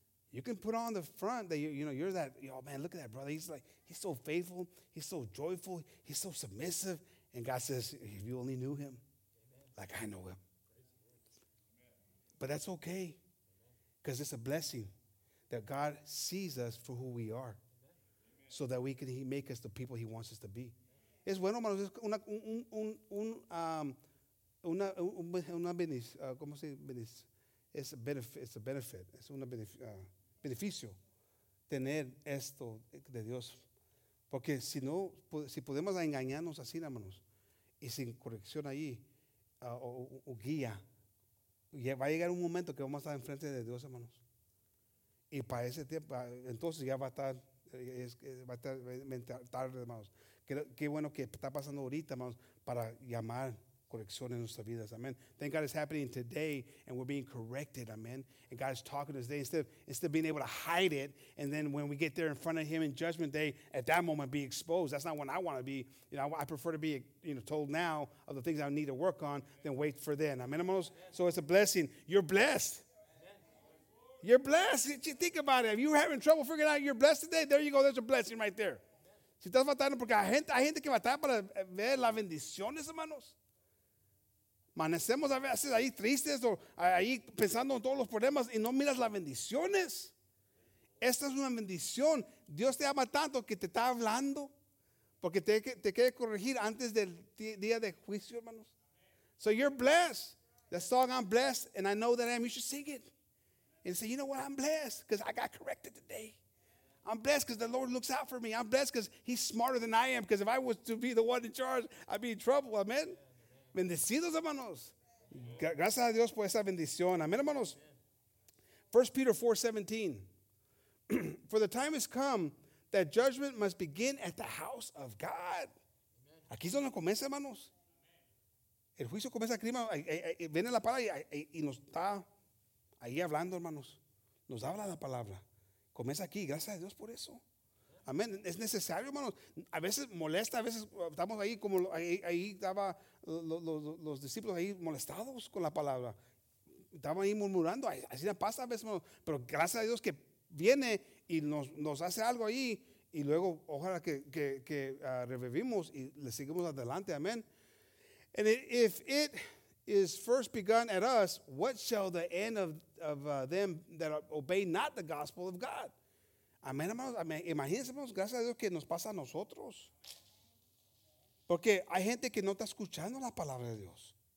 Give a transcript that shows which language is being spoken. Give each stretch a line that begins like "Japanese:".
English: You can put on the front that, you know, you're that, oh, man, look at that brother. He's like, he's so faithful. He's so joyful. He's so submissive. And God says, if you only knew him, like I know him. But that's okay. Because it's a blessing that God sees us for who we are. So that we can make us the people he wants us to be.
Spanish: Es bueno, hermanos, es una ¿cómo se dice? Es un benefit, es un beneficio tener esto de Dios. Porque si no, si podemos engañarnos así, hermanos, y sin corrección ahí, o guía, ya va a llegar un momento que vamos a estar enfrente de Dios, hermanos. Y para ese tiempo, entonces ya va a estar... va a estar tarde, hermanos. Qué bueno que está pasando ahorita, hermanos, para llamar corrección en nuestras vidas. Amen.
English: Thank God it's happening today and we're being corrected. Amen. And God is talking to us today instead of being able to hide it. And then when we get there in front of him in judgment day, at that moment be exposed. That's not when I want to be. You know, I prefer to be, you know, told now of the things I need to work on than wait for then.
Spanish: Amen, hermanos.
English: So it's a blessing. You're blessed. You're blessed. You think about it. If you're having trouble figuring out you're blessed today, there you go. There's a blessing right there.
Spanish: Si estás batallando porque hay gente que batalla para ver las bendiciones, hermanos. Manecemos a veces ahí tristes o ahí pensando en todos los problemas y no miras las bendiciones. Esta es una bendición. Dios te ama tanto que te está hablando porque te quiere corregir antes del día de juicio, hermanos.
English: So you're blessed. The song I'm blessed and I know that I am. You should sing it. And say, you know what, I'm blessed because I got corrected today. I'm blessed because the Lord looks out for me. I'm blessed because he's smarter than I am, because if I was to be the one in charge, I'd be in trouble.
Spanish: Amen. Amen. Bendecidos, hermanos. Amen. Gracias a Dios por esa bendición. Amen, hermanos.
English: Amen. 1 Peter 4:17. For the time has come that judgment must begin at the house of God.
Spanish: Amen. Aquí es donde comienza, hermanos. Amen. El juicio comienza aquí, viene la palabra y nos está... ahí hablando, hermanos, nos habla la palabra. Comienza aquí, gracias a Dios por eso. Amén. Es necesario, hermanos. A veces molesta, a veces estamos ahí como ahí estaba los discípulos ahí molestados con la palabra. Estaban ahí murmurando, así pasa a veces, hermanos. Pero gracias a Dios que viene y nos hace algo ahí. Y luego ojalá que revivimos y le seguimos adelante. Amén. And if it...
English: is first begun at us, what shall the end of them that obey not the gospel of God?
Spanish: Amén, hermanos. Imagínense, hermanos, gracias a Dios que nos pasa a nosotros. Porque hay gente que no está escuchando la palabra de Dios.